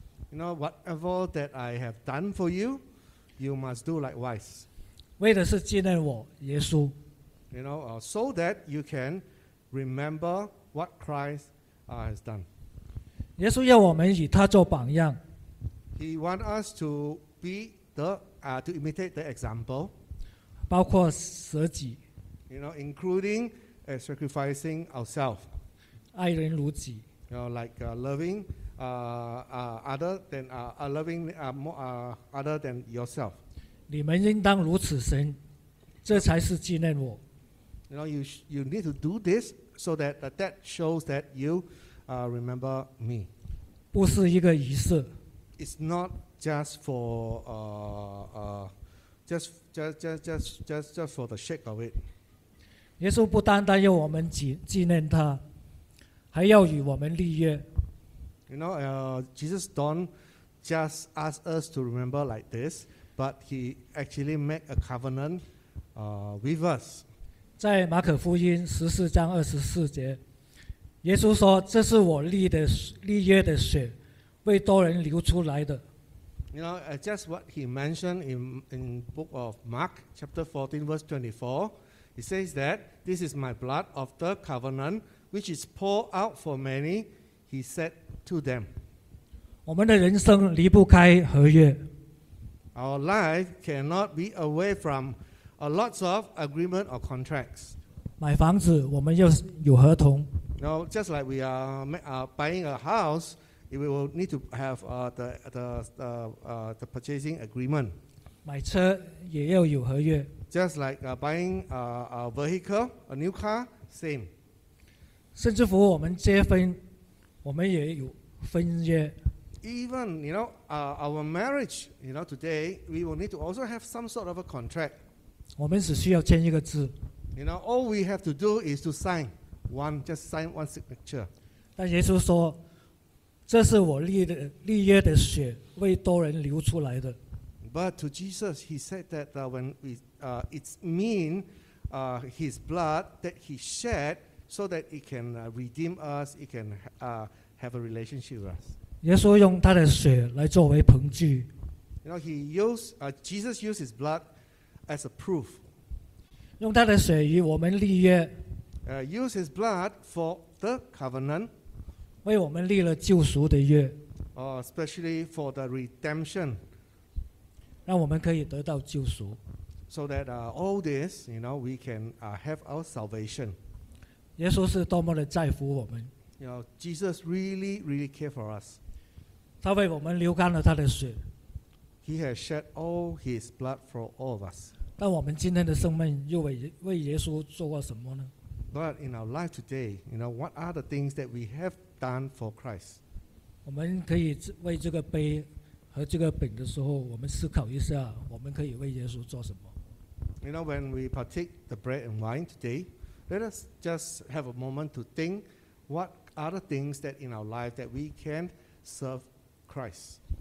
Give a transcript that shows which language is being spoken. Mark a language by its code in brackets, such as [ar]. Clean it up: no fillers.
[en] You know, whatever that I have done for you, you must do likewise. [zh] 为的是纪念我，耶稣。 [en] You know, so that you can remember what Christ has done. [zh] 耶稣要我们以他做榜样。 [en] He wants us to be the to imitate the example. [zh] 包括舍己。 [en] You know, including sacrificing ourselves. [zh] 爱人如己。 [en] You know, like loving. Other than loving more other than yourself. [zh] 你们应当如此行，这才是纪念我。 [en] You know, you need to do this so that that shows that you remember me. [zh] 不是一个仪式。 [en] It's not just for just for the sake of it. [zh] 耶稣不单单要我们纪念他，还要与我们立约。 [en] You know, Jesus don't just ask us to remember like this, but he actually make a covenant with us. [zh] 在马可福音十四章二十四节，耶稣说：“这是我立约的血，为多人流出来的。” [en] You know, just what he mentioned in book of Mark, chapter 14, verse 24, he says that this is my blood of the covenant, which is poured out for many. He said. To them. [zh] 我们的人生离不开合约。 [en] Our life cannot be away from a lots of agreement or contracts. [zh] 买房子我们要有合同。 [en] Now, just like we are buying a house, we will need to have the purchasing agreement. [zh] 买车也要有合约。 [en] Just like buying a vehicle, a new car, same. [zh] 甚至乎我们结婚我们也有分约。 [en] Even, you know, our marriage, you know, today, we will need to also have some sort of a contract. [zh] 我们只需要签一个字。 [en] You know, all we have to do is to sign one, just sign one signature. [zh] 但耶稣说，这是我立约的血，为多人流出来的。 [en] But to Jesus, he said that when we, it means his blood that he shed,so that it can redeem us, it can have a relationship with us. [zh] 耶稣用他的血来作为凭据。 [en] You know, he used, Jesus used his blood as a proof. [zh] 用他的血与我们立约。 [en] Use his blood for the covenant. [zh] 为我们立了救赎的约。 [en] Especially for the redemption. [zh] 让我们可以得到救赎。 [en] So that all this, you know, we can have our salvation. [zh] 耶稣是多么的在乎我们。 [en] You know, Jesus really, really care for us. [zh] 他为我们流干了他的血。 [en] He has shed all his blood for all of us. [zh] 但我们今天的生命又为耶稣做过什么呢？ [en] But in our life today, you know, what are the things that we have done for Christ? [zh] 我们可以为这个杯和这个饼的时候，我们思考一下，我们可以为耶稣做什么？ [en] You know, when we partake the bread and wine today,Let us just have a moment to think what are the things that in our life that we can serve Christ.